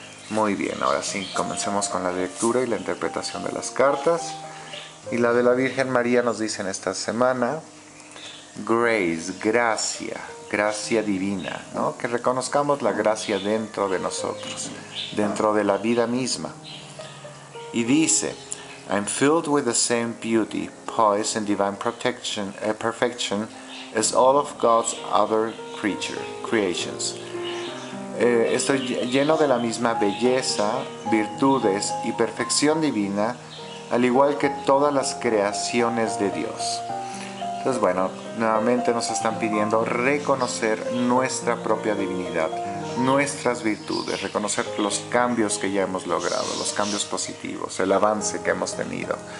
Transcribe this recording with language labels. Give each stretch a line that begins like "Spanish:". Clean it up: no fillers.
Spanish: Muy bien, ahora sí, comencemos con la lectura y la interpretación de las cartas. Y la de la Virgen María nos dice en esta semana, Grace, gracia, gracia divina, ¿no? Que reconozcamos la gracia dentro de nosotros, dentro de la vida misma. Y dice,
English: I'm filled with the same beauty, poise and divine protection, perfection as all of God's other creations.
Spanish: Estoy lleno de la misma belleza, virtudes y perfección divina, al igual que todas las creaciones de Dios. Entonces, bueno, nuevamente nos están pidiendo reconocer nuestra propia divinidad, nuestras virtudes, reconocer los cambios que ya hemos logrado, los cambios positivos, el avance que hemos tenido.